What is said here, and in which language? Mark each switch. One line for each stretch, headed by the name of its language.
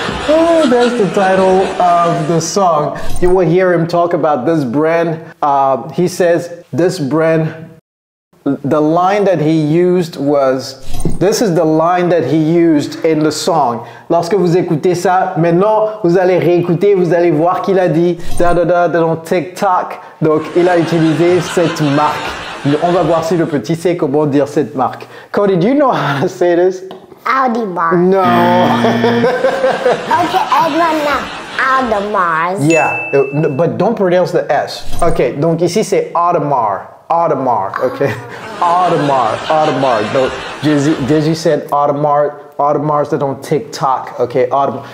English: Oh, that's the title of the song. You will hear him talk about this brand. He says this brand, the line that he used was, this is the line that he used in the song.
French: Lorsque vous écoutez ça, maintenant vous allez réécouter, vous allez voir qu'il a dit da da da da on TikTok. Donc il a utilisé cette marque. On va voir si le petit sait comment dire cette marque.
English: Cody, do you know how to say this? Audi Mars. No. Okay, Edmond, no. Audemars. Yeah, but don't pronounce the S. Okay,
French: donc ici c'est Audemars.
English: Audemars, okay. Audemars, Audemars. No, Jizzy said Audemars, Audemars that don't tick tock, okay. Audemars.